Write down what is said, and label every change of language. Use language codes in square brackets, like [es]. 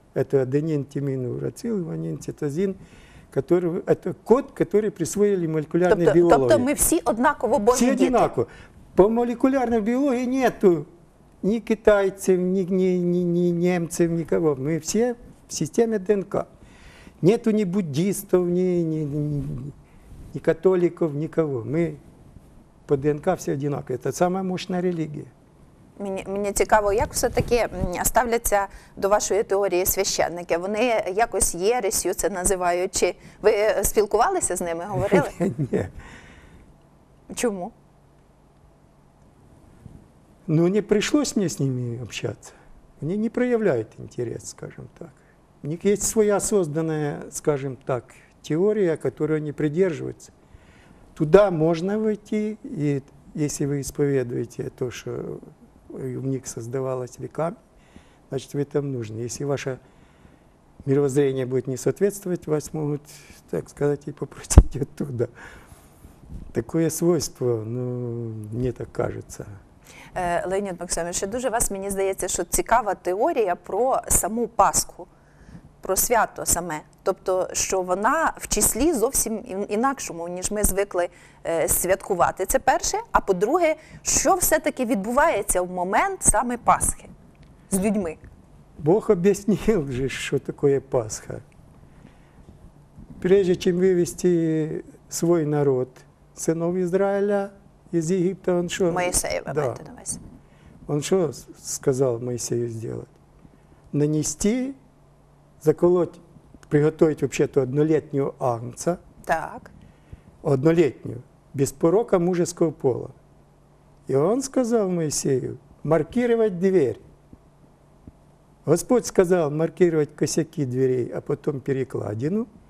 [uk] Це аденін, тимін, урацил, іванін, цитозін. [ru] Это код, который присвоили молекулярные биологи. [uk] Тобто ми всі однаково божі діти? Всі однаково. [ru] По молекулярной биологии нету ни китайцев, ни немцев, никого. Мы все в системе ДНК. Нету ни буддистов, ни католиков, никого. Мы по ДНК все одинаково. Это самая мощная религия. [uk] Мені цікаво, як все-таки ставляться до вашої теорії священники? Вони якось єресю це називають? Чи ви спілкувалися з ними, говорили? Ні. Чому? Ну, не прийшлося мені з ними спілкуватися. Вони не проявляють інтерес, скажімо так. У них є своя створена, скажімо так, теорія, яку вони придерживаються. Туди можна вийти, і якщо ви сповідуєте те, що в них создавалось веками, [ru] значит, вы там нужны. Если ваше мировоззрение будет не соответствовать, вас могут, так сказать, и попросить оттуда. Такое свойство, ну, мне так кажется. [uk] Леонид Максимович, ще дуже вас, мені здається, що цікава теорія про саму Пасху, про свято саме. Тобто, що вона в числі зовсім інакшому, ніж ми звикли святкувати. Це перше. А по-друге, що все-таки відбувається в момент саме Пасхи з людьми? Бог об'яснив вже, що таке Пасха. Прежде, чим вивести свій народ, синів Ізраїля із Єгипта, він що? Моїсею, ви маєте на увазі. Він що сказав Моїсею зробити? [ru] Нанести, заколоть, приготовить вообще-то однолетнюю агнца. Так. Однолетнюю, без порока мужеского пола. И он сказал Моисею, маркировать дверь. Господь сказал маркировать косяки дверей, а потом перекладину.